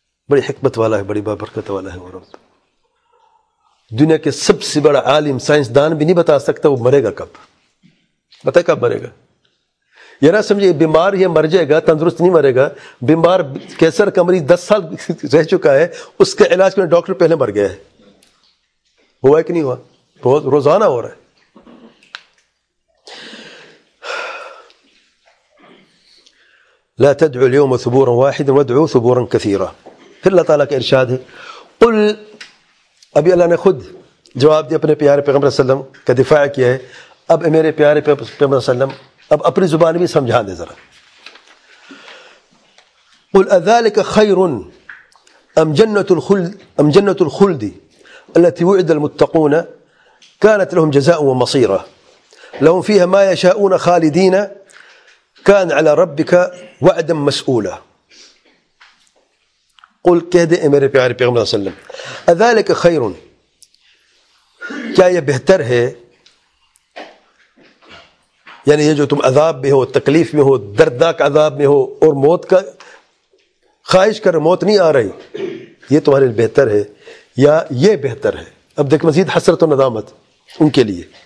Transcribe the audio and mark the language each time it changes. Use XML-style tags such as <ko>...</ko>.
<ur>بڑی حکمت والا ہے، بڑی بابرکت والا ہے. اور دنیا کے سب سے بڑا عالم سائنسدان بھی نہیں بتا سکتا وہ مرے گا کب، بتا کب مرے گا. یہ نہ سمجھے بیمار یہ مر جائے گا تندرست نہیں مرے گا. بیمار کینسر کا مریض 10 سال رہ چکا ہے، اس کے علاج کے ڈاکٹر پہلے مر گیا ہے، ہوا ہے کہ نہیں ہوا؟ بہت روزانہ ہو رہا ہے.</ur> <ar>لا تدعو اليوم ثبورا واحدا وادعو ثبورا كثيرا.</ar> <ur>پھر اللہ تعالیٰ کا ارشاد ہے، قل، ابھی اللہ نے خود جواب دیا اپنے پیارے پیغمبر صلی اللہ علیہ وسلم کا دفاع کیا ہے، اب میرے پیارے پیغمبر صلی اللہ علیہ وسلم اب اپنی زبان بھی سمجھا دے ذرا.</ur> <ar>قل اذلک خیر ام جنۃ الخلد التي وعد المتقون كانت لهم جزاء ومصيرا لهم فيها ما يشاءون خالدين كان على ربك وعدا مسؤولا.</ar> <ur>قل، کہہ دے اے میرے پیارے پیغمبر صلی اللہ علیہ وسلم، اذلک خیر، کیا یہ بہتر ہے، یعنی یہ جو تم عذاب میں ہو، تکلیف میں ہو، دردناک عذاب میں ہو اور موت کا خواہش کر موت نہیں آ رہی، یہ تمہارے لیے بہتر ہے یا یہ بہتر ہے؟ اب دیکھ مزید حسرت و ندامت ان کے لیے.</ur>